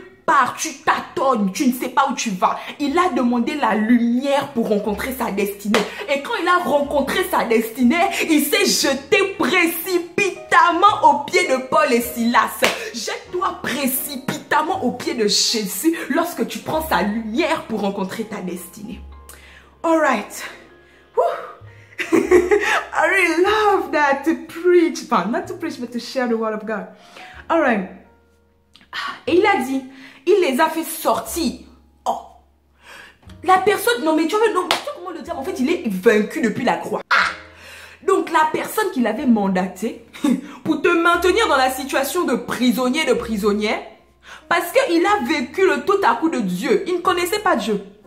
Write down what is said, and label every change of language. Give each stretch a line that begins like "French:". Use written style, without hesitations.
French: pars, tu tâtonnes, tu ne sais pas où tu vas. Il a demandé la lumière pour rencontrer sa destinée. Et quand il a rencontré sa destinée, il s'est jeté précipitamment aux pieds de Paul et Silas. Jette-toi précipitamment aux pieds de Jésus lorsque tu prends sa lumière pour rencontrer ta destinée.
English: All right. I really love that to preach. Enfin, not to preach, but to share the word of God. All right.
French: Et il a dit, il les a fait sortir. Oh. La personne, non mais tu vois, non, tu vois comment le dire, en fait, il est vaincu depuis la croix. Ah. Donc, la personne qu'il avait mandatée pour te maintenir dans la situation de prisonnier, de prisonnière, parce qu'il a vécu le tout à coup de Dieu. Il ne connaissait pas Dieu.